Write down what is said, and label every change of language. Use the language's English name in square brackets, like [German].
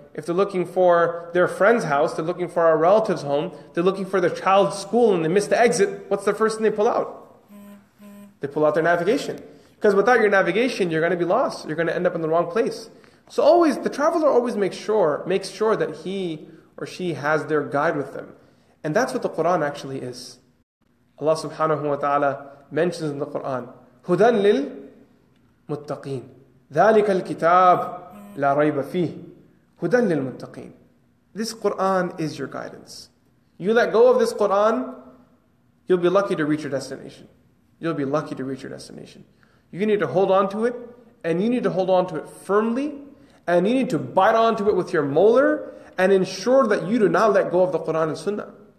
[English] If they're looking for their friend's house, they're looking for a relative's home, they're looking for their child's school and they miss the exit, what's the first thing they pull out? They pull out their navigation. Because without your navigation, you're going to be lost. You're going to end up in the wrong place. So always, the traveler always makes sure that he or she has their guide with them. And that's what the Qur'an actually is. Allah subhanahu wa ta'ala mentions in the Qur'an, [Arabic] هُدًى لِلْمُتَّقِينَ ذَلِكَ الْكِتَابِ لَا رَيْبَ فِيهِ هُدًى لِلْمُتَّقِينَ. [English] This Qur'an is your guidance. You let go of this Qur'an, you'll be lucky to reach your destination. You'll be lucky to reach your destination. You need to hold on to it, and you need to hold on to it firmly, and you need to bite onto it with your molar, and ensure that you do not let go of the Qur'an and Sunnah.